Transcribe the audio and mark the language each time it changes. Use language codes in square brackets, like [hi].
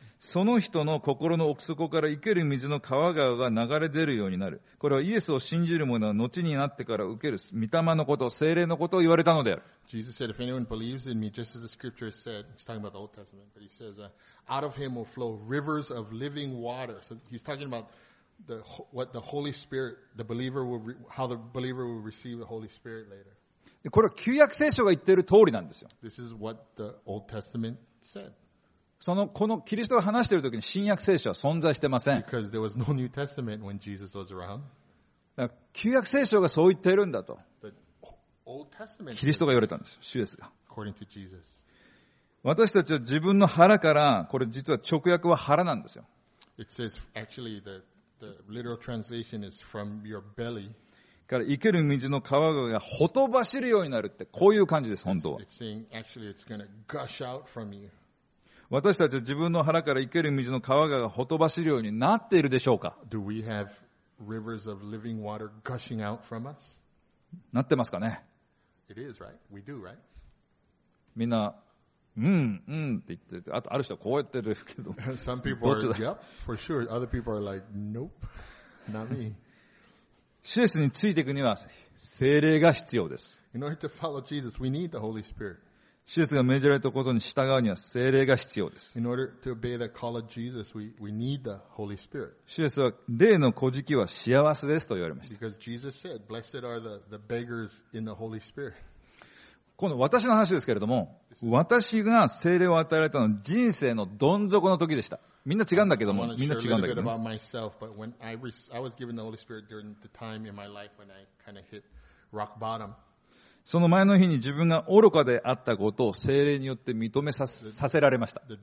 [ja] その人の心の奥底から生ける水の川川が流れ出るようになる。これはイエスを信じる者は後になってから受ける御霊のこと、聖霊のことを言われたのである。 [en] Jesus said, if anyone believes in me, just as the scripture said, he's talking about the Old Testament, but he says, out of him will flow rivers of living water. So he's talking about what the Holy Spirit, the believer will, how the believer will receive the Holy Spirit later. [ja] これは旧約聖書が言っている通りなんですよ。 [en] This is what the Old Testament said. [ja] このキリストが話しているときに新約聖書は存在していません。 [en] Because there was no New Testament when Jesus was around. [ja] だから旧約聖書がそう言っているんだと。 [en] The Old Testament. [ja] キリストが言われたんです。主イエスが。 [en] According to Jesus. [ja] 私たちは自分の腹から、これ実は直訳は腹なんですよ。 [en] It says actually the literal translation is from your belly. [ja] から生ける水の川がほとばしるようになるって、こういう感じです、本当は。 [en] It's saying actually it's going to gush out from you. [ja] 私たちは自分の腹から生ける水の川がほとばしるようになっているでしょうか? [en] Do we have rivers of living water gushing out from us? [ja] なってますかね? [en] It is, right? We do, right? [ja] みんな、って言って、あとある人はこうやってるけど。 [en] Some people are, yep, for sure. Other people are like, nope, not me. [ja] シエスについていくには聖霊が必要です。 [en] In order to follow Jesus, we need the Holy Spirit. [ja] 主イエスが命じられたことに従うには聖霊が必要です。 [en] In order to obey the call of Jesus, we need the Holy Spirit. [ja] 主イエスは霊の乞食は幸せですと言われました。 [en] Because Jesus said, "Blessed are the beggars in the Holy Spirit." [ja] 今度私の話ですけれども、私が聖霊を与えられたのは人生のどん底の時でした。みんな違うんだけども、みんな違うんだけども。 [en] I want to share a little bit about myself, but when I was given the Holy Spirit during the time in my life when I kind of hit rock bottom. [ja] その前の日に自分が愚かであったことを聖霊によって認めさせられました。